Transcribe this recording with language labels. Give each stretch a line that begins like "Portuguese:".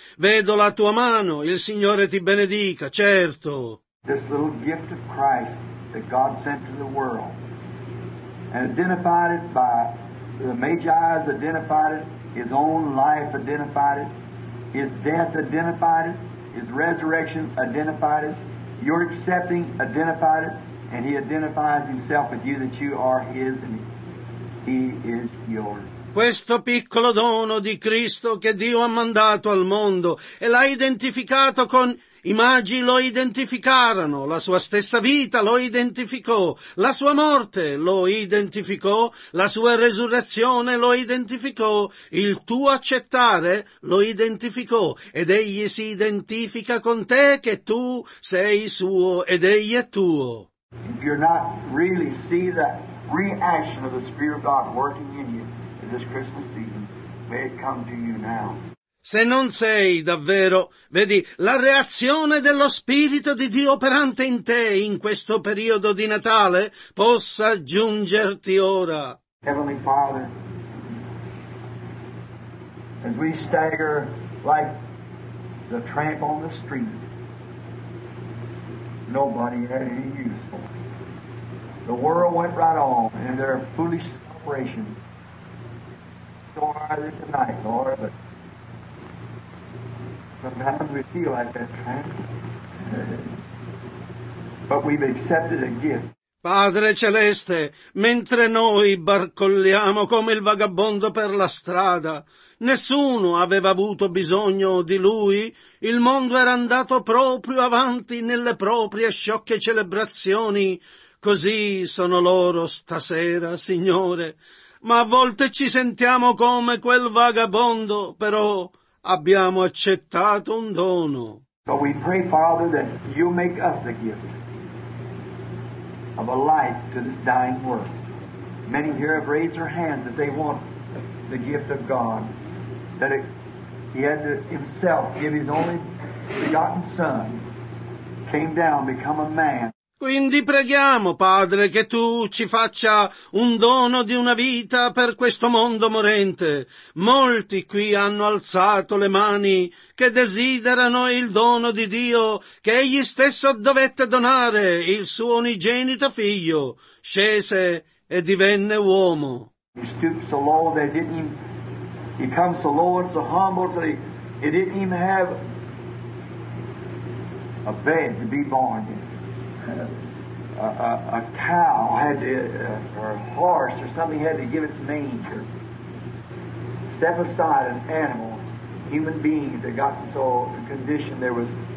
Italian: Vedo la tua mano, il Signore ti benedica, certo.
English: This little gift of Christ that God sent to the world, and identified it by the Magi's, identified it, His own life identified it, His death identified it, His resurrection identified it, your accepting identified it, and He identifies Himself with you that you are His and He is yours.
Italian: Questo piccolo dono di Cristo che Dio ha mandato al mondo e l'ha identificato con I magi lo identificarono, la sua stessa vita lo identificò, la sua morte lo identificò, la sua resurrezione lo identificò, il tuo accettare lo identificò, ed egli si identifica con te che tu sei suo ed egli è tuo.
English: If you're not really see the reaction of the Spirit of God working in you in this Christmas season, may it come to you now.
Italian: Se non sei davvero, vedi, la reazione dello Spirito di Dio operante in te in questo periodo di Natale possa giungerti ora.
English: Heavenly Father, as we stagger like the tramp on the street, nobody had any use for it. The world went right on in their foolish celebration. So are they tonight, Lord, but sometimes we feel like that, right? But we've accepted a gift.
Italian: Padre Celeste, mentre noi barcolliamo come il vagabondo per la strada, nessuno aveva avuto bisogno di lui, il mondo era andato proprio avanti nelle proprie sciocche celebrazioni, così sono loro stasera, Signore. Ma a volte ci sentiamo come quel vagabondo, però abbiamo accettato un dono.
English: But we pray, Father, that you make us a gift of a life to this dying world. Many here have raised their hands that they want the gift of God, that he had to himself give his only begotten son, came down, become a man.
Italian: Quindi preghiamo, Padre, che tu ci faccia un dono di una vita per questo mondo morente. Molti qui hanno alzato le mani che desiderano il dono di Dio, che egli stesso dovette donare il suo unigenito figlio. Scese e divenne uomo.
English: He stooped so low that he come so low and so humble that he didn't even have a bed to be born in. A cow had to, or a horse or something had to give its name, or step aside an animal, human being that got so conditioned there was.